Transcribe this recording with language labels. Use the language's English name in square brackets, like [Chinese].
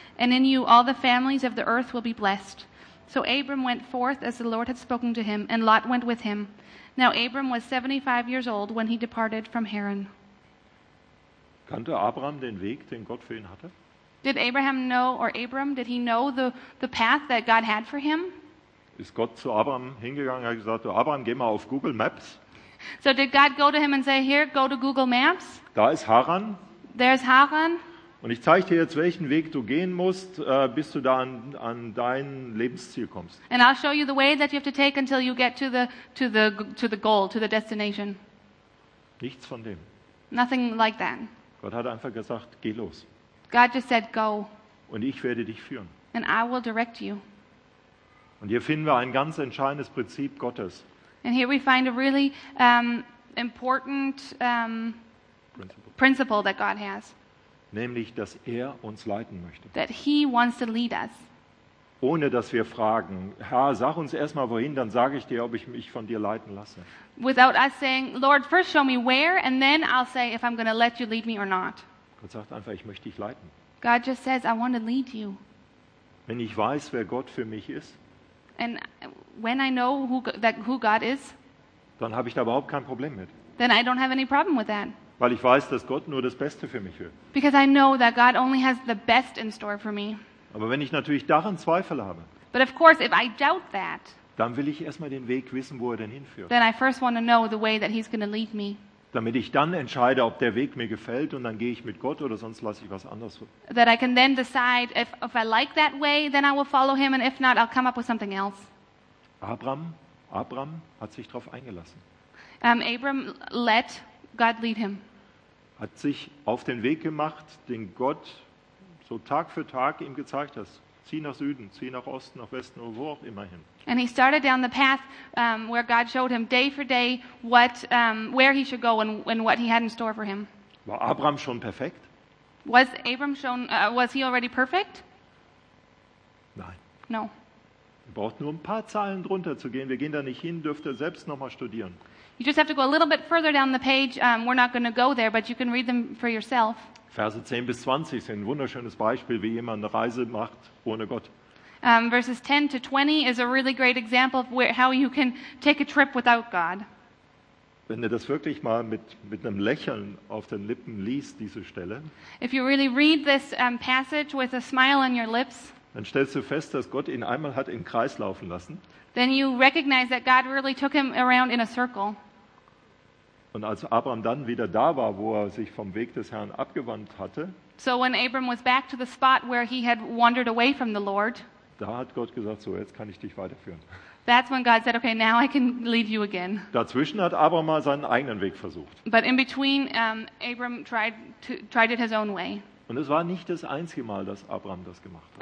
[English] And in you all the families of the earth will be blessed. So Abram went forth as the Lord had spoken to him, and Lot went with him. Now Abram was 75 years old when he departed from Haran. [German] Kannte Abraham den Weg, den Gott für ihn hatte? [English] Did Abraham know, or Abram, did he know the path that God had for him? [German] Ist Gott zu Abraham hingegangen und hat gesagt, oh Abraham, geh mal auf Google Maps. [English] So did God go to him and say, here, go to Google Maps. [German] Da ist Haran. [English] There's Haran. [German] Und ich zeige dir jetzt, welchen Weg du gehen musst, bis du da an dein Lebensziel kommst. [English] And I'll show you the way that you have to take until you get to the goal, to the destination. [German] Nichts von dem. [English] Nothing like that. [German] Gott hat einfach gesagt, geh los. [English] God just said, go. [German] Und ich werde dich führen. [English] And I will direct you. [German] Und hier finden wir ein ganz entscheidendes Prinzip Gottes. [English] And here we find a really important principle that God has. [German] Nämlich, dass er uns leiten möchte. [English] That he wants to lead us. [German] Ohne dass wir fragen, Herr, sag uns erstmal wohin, dann sage ich dir, ob ich mich von dir leiten lasse. [English] Without us saying, Lord, first show me where and then I'll say if I'm going to let you lead me or not. [German] Gott sagt einfach, ich möchte dich leiten. [English] God just says, I want to lead you. [German] Wenn ich weiß, wer Gott für mich ist, [English] and when I know who God is, [German] dann habe ich da überhaupt kein Problem mit. [English] Then I don't have any problem with that. [German] Weil ich weiß, dass Gott nur das Beste für mich will. [English] Because I know that God only has the best in store for me. [German] Aber wenn ich natürlich daran Zweifel habe, [English] but of course, if I doubt that, [German] dann will ich erstmal den Weg wissen, wo er denn hinführt. [English] Then I first want to know the way that he's going to lead me. [German] Damit ich dann entscheide, ob der Weg mir gefällt und dann gehe ich mit Gott oder sonst lasse ich was anderes. [English] That I can then decide if I like that way, then I will follow him and if not, I'll come up with something else. [German] Abram hat sich darauf eingelassen. [English] Abram let God lead him. [German] hat sich auf den Weg gemacht, den Gott so Tag für Tag ihm gezeigt hat. Zieh nach Süden, zieh nach Osten, nach Westen oder wo auch immer hin. [English] And he started down the path where God showed him day for day what where he should go and what he had in store for him. [German] War Abraham schon perfekt? [English] Was he already perfect? [German] Nein. [English] No. [German] Er braucht nur ein paar Zeilen drunter zu gehen. Wir gehen da nicht hin, dürfte selbst noch mal studieren. [English] You just have to go a little bit further down the page. We're not going to go there, but you can read them for yourself. [German] Verse 10 bis 20 sind ein wunderschönes Beispiel, wie jemand eine Reise macht ohne Gott. [English] Verses 10 to 20 is a really great example of where, how you can take a trip without God. [German] Wenn du das wirklich mal mit einem Lächeln auf den Lippen liest, diese Stelle. [English] If you really read this passage with a smile on your lips. [German] Dann stellst du fest, dass Gott ihn einmal hat im Kreis laufen lassen. [English] Then you recognize that God really took him around in a circle. [German] Und als Abraham dann wieder da war, wo er sich vom Weg des Herrn abgewandt hatte. [English] So when Abram was back to the spot where he had wandered away from the Lord. [German] Da hat Gott gesagt, so jetzt kann ich dich weiterführen. [English] That's when God said, okay, now I can lead you again. [German] Dazwischen hat Abraham mal seinen eigenen Weg versucht. [English] But in between, Abram tried it his own way. [German] Und es war nicht das einzige Mal, dass Abraham das gemacht hat.